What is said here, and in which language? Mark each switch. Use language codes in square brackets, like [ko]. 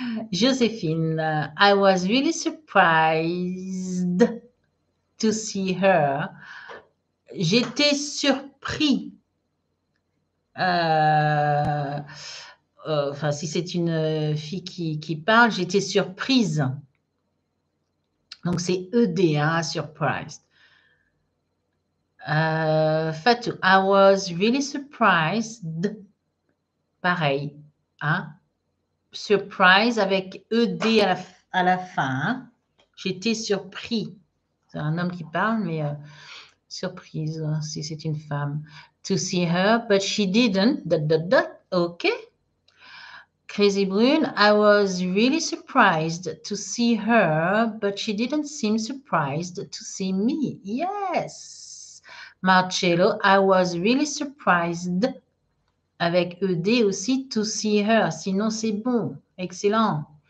[en] Joséphine, I was really surprised to see her. [fr] J'étais surpris. Enfin, si c'est une fille qui parle, j'étais surprise. Donc, c'est ED, hein, [en] surprised. Fatou, I was really surprised. [fr] Pareil, hein? Surprise avec ED à la fin. J'étais surpris. C'est un homme qui parle, mais surprise si c'est une femme. [en] To see her, but she didn't. Dot, dot, dot. OK. Crazy Brune, I was really surprised to see her, but she didn't seem surprised to see me. Yes. Marcello, I was really surprised. [fr] Avec ED aussi, [en] to see her. [fr] Sinon, c'est bon. Excellent.